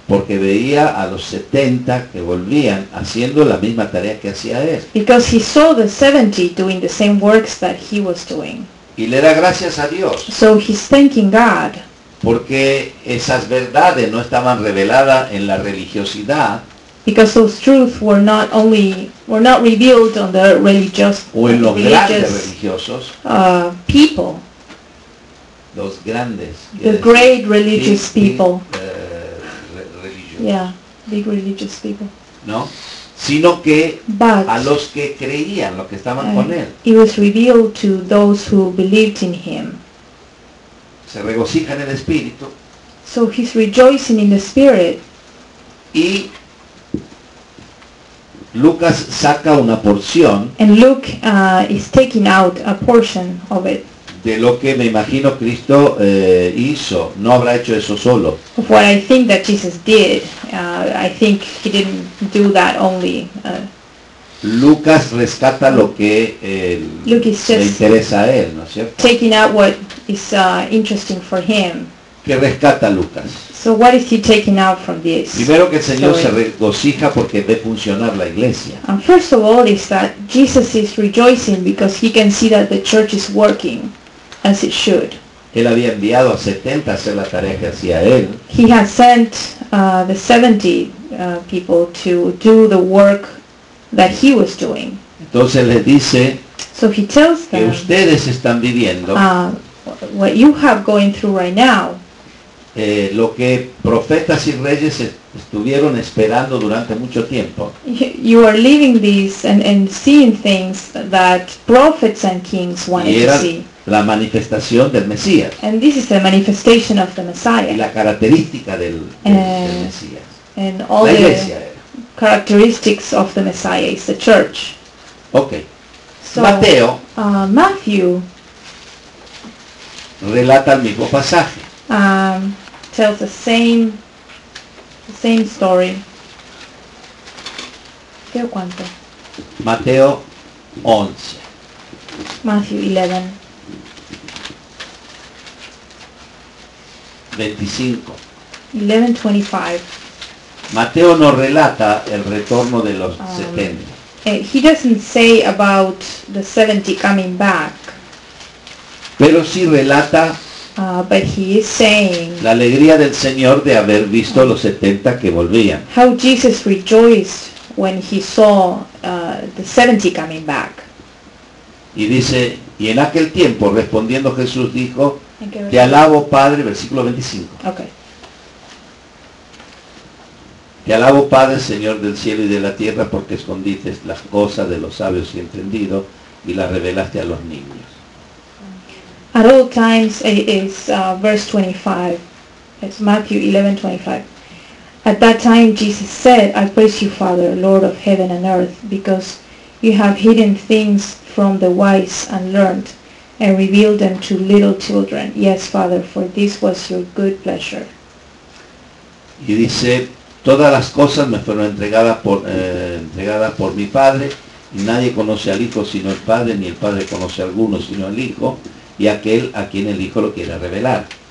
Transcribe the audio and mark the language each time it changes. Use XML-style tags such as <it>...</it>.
<es>Porque veía a los 70 que volvían haciendo la misma tarea que hacía él.</es> <en>Because he saw the 70 doing the same works that he was doing.</en> <es>Y le da gracias a Dios.</es> <en>So he's thanking God.</en> <es>Porque esas verdades no estaban reveladas en la religiosidad.</es> <en>Because those truths were not revealed on the religious</en> <es>o en los grandes religiosos.</es> <en>People.</en> <es>Los grandes.</es> <en>The great religious people.</en> <es>Religiosos.</es> <en>Yeah, big religious people.</en> <es>No, sino que</es> <en>but</en> <es>a los que creían, los que estaban con él.</es> <en>It was revealed to those who believed in him.</en> <es>Se regocija en el Espíritu.</es> <en>So he's rejoicing in the Spirit.</en> <es>Y Lucas saca una porción.</es> <en>And Luke is taking out a portion of it.</en> <es>De lo que me imagino Cristo hizo, no habrá hecho eso solo.</es> <en>Of what I think that Jesus did, I think he didn't do that only.</en> <es>Lucas rescata lo que le interesa a él, ¿no es cierto?</es> <en>Taking out what is interesting for him.</en> <es>¿Qué rescata Lucas?</es> <en>So what is he taking out from this?</en> <es>Primero que el Señor se regocija porque ve funcionar la iglesia.</es> <en>And first of all is that Jesus is rejoicing because he can see that the church is working as it should.</en> <es>Él había enviado a 70 a hacer la tarea que hacía él.</es> <en>He has sent the 70 people to do the work that he was doing.</en> <es>Entonces les dice,</es> <en>so he tells them,</en> <es>que ustedes están viviendo</es> <en>what you have going through right now.</en> <es>Lo que profetas y reyes estuvieron esperando durante mucho tiempo.</es> <en>You are living this and seeing things that prophets and kings wanted</en> <es>y era</es> <en>to see.</en> <es>La manifestación del Mesías.</es> <en>And this is the manifestation of the Messiah.</en> <es>Y la característica del Mesías.</es> <en>And all</en> <es>la</es> <en>the</en> <es>era.</es> <en>Characteristics of the Messiah is the church. Okay. So, Mateo. Matthew.</en> <es>Relata el mismo pasaje.</es> <en>Tells the same story.</en> <es>¿Mateo cuánto? Mateo 11.</es> <en>Matthew 11. 25. 11:25.</en> <es>Mateo no relata el retorno de los 70.</es> <en>He doesn't say about the 70 coming back.</en> <es>Pero sí relata.</es> <en>But he is saying</en> <es>la alegría del Señor de haber visto los 70 que volvían.</es> <en>How Jesus rejoiced when he saw the 70 coming back.</en> <es>Y dice, y en aquel tiempo respondiendo Jesús dijo, te alabo Padre, versículo 25.</es> <en>Okay.</en> <es>Te alabo Padre, Señor del cielo y de la tierra, porque escondiste las cosas de los sabios y entendidos y las revelaste a los niños.</es> <en>At all times, it is verse 25, it's Matthew 11:25. At that time, Jesus said, I praise you, Father, Lord of heaven and earth, because you have hidden things from the wise and learned, and revealed them to little children. Yes, Father, for this was your good pleasure.</en> <es>Y dice, todas las cosas me fueron entregadas por mi Padre, y nadie conoce al Hijo sino el Padre, ni el Padre conoce a alguno sino el Hijo. Y aquel a quien el Hijo lo quiera revelar.</es>